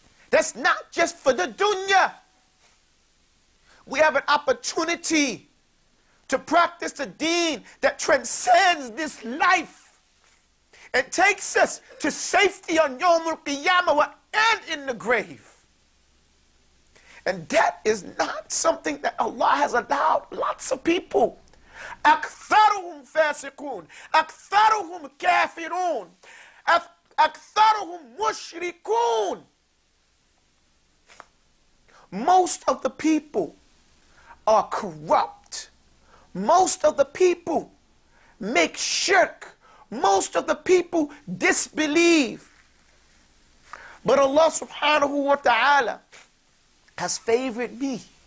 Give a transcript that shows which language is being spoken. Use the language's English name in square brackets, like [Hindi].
[English] That's not just for the dunya. We have an opportunity to practice the deen that transcends this life and takes us to safety on Yawm al-Qiyamah and in the grave. And that is not something that Allah has allowed lots of people. [Arabic] أكثرهم فاسقون أكثرهم كافرون أكثرهم مشركون. [English] Most of the people are corrupt. Most of the people make shirk. Most of the people disbelieve. But Allah subhanahu wa ta'ala has favored me.